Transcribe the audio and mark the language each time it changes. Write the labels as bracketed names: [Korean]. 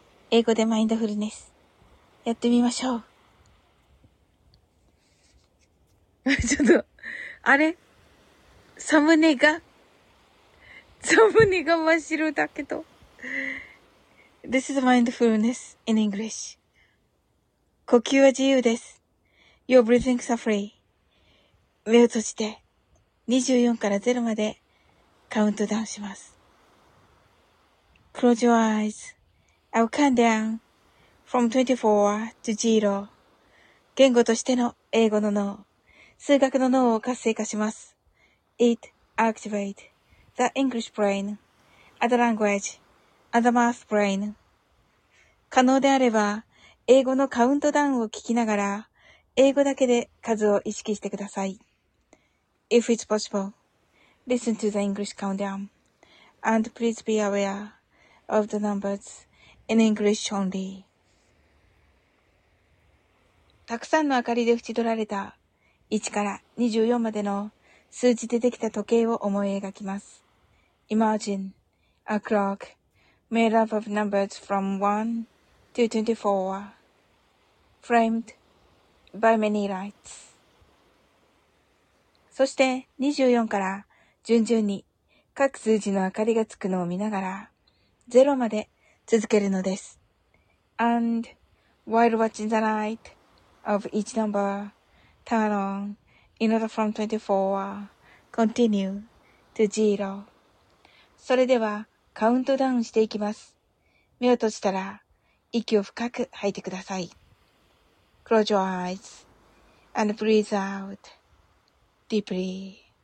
[Japanese] 英語でマインドフルネス。やってみましょう。ちょっと、あれ?サムネが? サムネが真っ白だけど。 [English] This is mindfulness in English. [Japanese] 呼吸は自由です。 [English] Your breathing is free. [Japanese] 目を閉じて、24から0までカウントダウンします。 [English] Close your eyes. I will count down from 24 to 0. [Japanese] 言語としての英語の脳、数学の脳を活性化します。 [English] It activates the English brain, other language, other math brain. [Japanese] 可能であれば、英語のカウントダウンを聞きながら、英語だけで数を意識してください。 [English] If it's possible, listen to the English countdown. And please be aware. Of the numbers in English only. [Japanese] たくさんの明かりで縁取られた1から24までの数字でできた時計を思い描きます。 [English] Imagine a clock made up of numbers from 1 to 24 framed by many lights. [Japanese] そして24から順々に各数字の明かりがつくのを見ながらゼロまで続けるのです。 [English] And while watching the light of each number turn on in order from 24 continue to zero. [Japanese] それではカウントダウンしていきます。目を閉じたら息を深く吐いてください。 [English] Close your eyes and breathe out deeply.